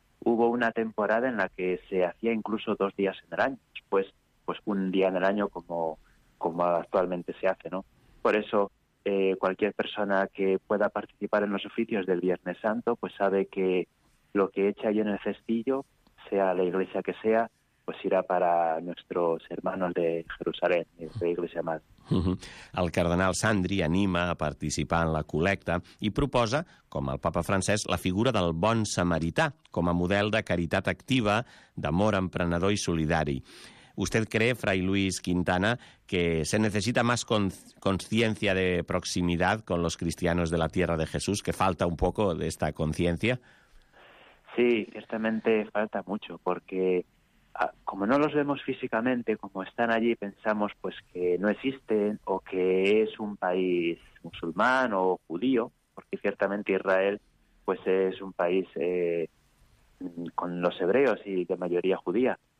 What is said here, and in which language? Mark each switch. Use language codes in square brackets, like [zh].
[es] Hubo una temporada en la que se hacía incluso dos días en el año, después pues un día en el año como actualmente se hace, ¿no? Por eso cualquier persona que pueda participar en los oficios del Viernes Santo pues sabe que lo que echa ahí en el cestillo, sea la iglesia que sea, pues irá para nuestros hermanos de Jerusalén, de la Iglesia Madre. [ca] El cardenal Sandri anima a participar en la col·lecta i proposa, com el Papa francès, la figura del bon samarità com a model de caritat activa, d'amor emprenedor i solidari. [es] ¿Usted cree, Fray Luis Quintana, que se necesita más conciencia de proximidad con los cristianos de la Tierra de Jesús, que falta un poco de esta conciencia? Sí, ciertamente falta mucho, porque como no los vemos físicamente, como están allí, pensamos pues que no existen o que es un país musulmán o judío, porque ciertamente Israel pues es un país con los hebreos y de mayoría judía.